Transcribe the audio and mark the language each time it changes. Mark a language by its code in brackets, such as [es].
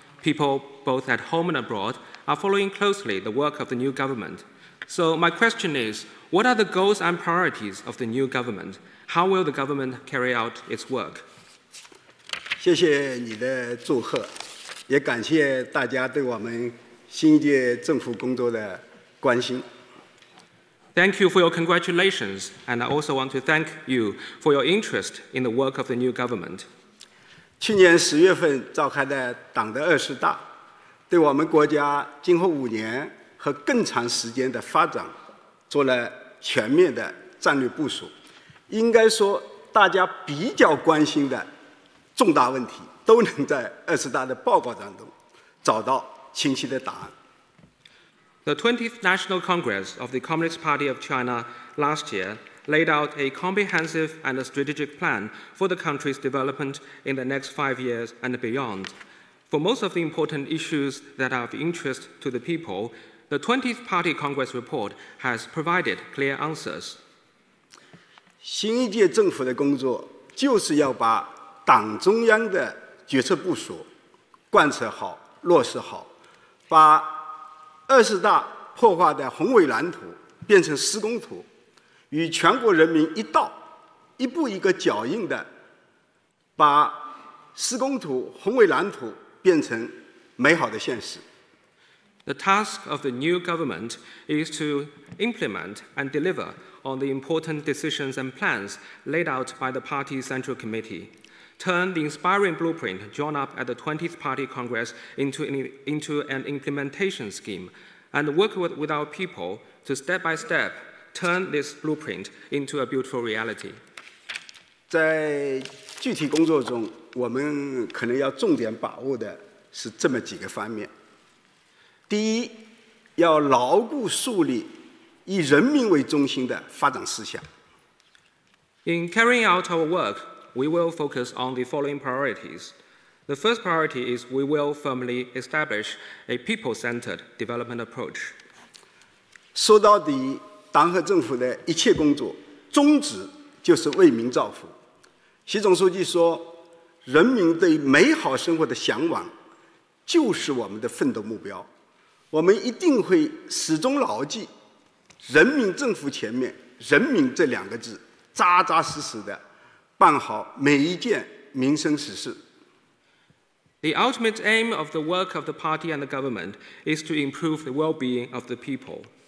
[en] People, both at home and abroad, are following closely the work of the new government. So my question is, what are the goals and priorities of the new government? How will the government carry out its work? [zh] 谢谢你的祝贺。也感谢大家对我们新一届政府工作的关心。 [en] Thank you for your congratulations, and I also want to thank you for your interest in the work of the new government. [zh] 去年十月份召开的党的二十大，对我们国家今后五年和更长时间的发展做了全面的战略部署。应该说，大家比较关心的重大问题都能在二十大的报告当中找到清晰的答案。 [en] The 20th National Congress of the Communist Party of China last year laid out a comprehensive and a strategic plan for the country's development in the next 5 years and beyond. For most of the important issues that are of interest to the people, the 20th Party Congress report has provided clear answers. [zh] 新一届政府的工作就是要把党中央的决策部署贯彻好、落实好，把二十大破坏的宏伟蓝图变成施工图，与全国人民一道，一步一个脚印的把施工图、宏伟蓝图变成美好的现实。 [en] The task of the new government is to implement and deliver on the important decisions and plans laid out by the Party Central Committee. Turn the inspiring blueprint drawn up at the 20th Party Congress into an implementation scheme and work with our people to step by step turn this blueprint into a beautiful reality. [zh] 在具体工作中，我们可能要重点把握的是这么几个方面。第一，要牢固树立以人民为中心的发展思想。 [en] In carrying out our work,We will focus on the following priorities. The first priority is we will firmly establish a people-centered development approach. [zh] 说到底，党和政府的一切工作，宗旨就是为民造福。习总书记说，人民对美好生活的向往，就是我们的奋斗目标。我们一定会始终牢记，人民政府前面，人民这两个字，扎扎实实的办好每一件民生实事。 [en] The ultimate aim of the work of the party and the government is to improve the well-being of the people.